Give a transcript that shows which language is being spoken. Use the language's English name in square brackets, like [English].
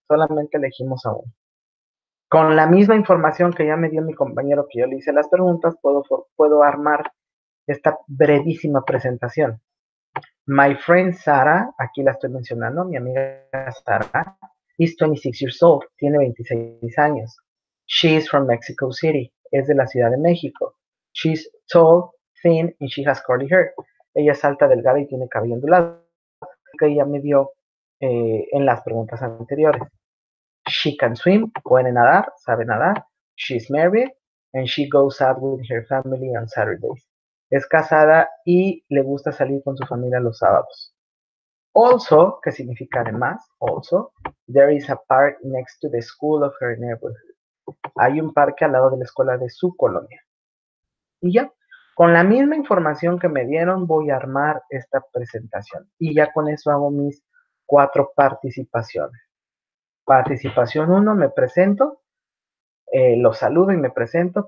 [Spanish] Solamente elegimos a uno. Con la misma información que ya me dio mi compañero que yo le hice las preguntas, puedo armar esta brevísima presentación. [English] My friend Sara, [Spanish] aquí la estoy mencionando, mi amiga Sara, [English] is 26 years old, [Spanish] tiene 26 años. [English] She is from Mexico City, [Spanish] es de la Ciudad de México. [English] She's tall, thin, and she has curly hair. [Spanish] Ella es alta, delgada y tiene cabello ondulado. Que ella me dio en las preguntas anteriores. [English] She can swim, [Spanish] puede nadar, sabe nadar. [English] She's married and she goes out with her family on Saturdays. [Spanish] Es casada y le gusta salir con su familia los sábados. [English] Also, [Spanish] que significa además, [English] also, there is a park next to the school of her neighborhood. [Spanish] Hay un parque al lado de la escuela de su colonia. Y ya. Con la misma información que me dieron, voy a armar esta presentación. Y ya con eso hago mis 4 participaciones. Participación 1, me presento, lo saludo y me presento.